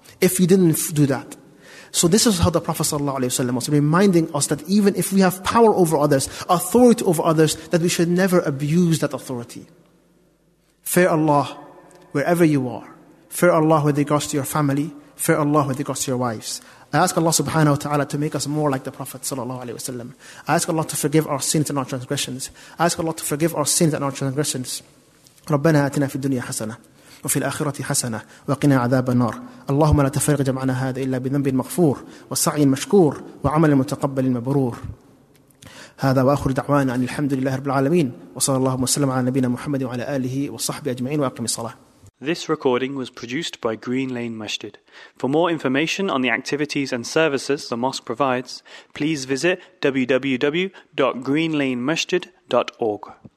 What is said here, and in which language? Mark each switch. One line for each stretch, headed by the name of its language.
English: If you didn't do that. So this is how the Prophet ﷺ was reminding us that even if we have power over others, authority over others, that we should never abuse that authority. Fear Allah wherever you are. Fear Allah with regards to your family. Fear Allah with regards to your wives. I ask Allah subhanahu wa ta'ala to make us more like the Prophet sallallahu alayhi wa sallam. I ask Allah to forgive our sins and our transgressions. I ask Allah to forgive our sins and our transgressions.
Arabic: ربنا آتنا في الدنيا حسنة وفي الآخرة حسنة وقنا عذاب النار اللهم لا تفرق جمعنا هذا إلا بذنب مغفور وسعي مشكور وعمل متقبل مبرور هذا وآخر دعوانا أن الحمد لله رب العالمين وصلى الله وسلم على نبينا محمد وعلى آله وصحبه أجمعين وأقم الصلاة.
English: This recording was produced by Green Lane Masjid. For more information on the activities and services the mosque provides, please visit www.greenlanemasjid.org.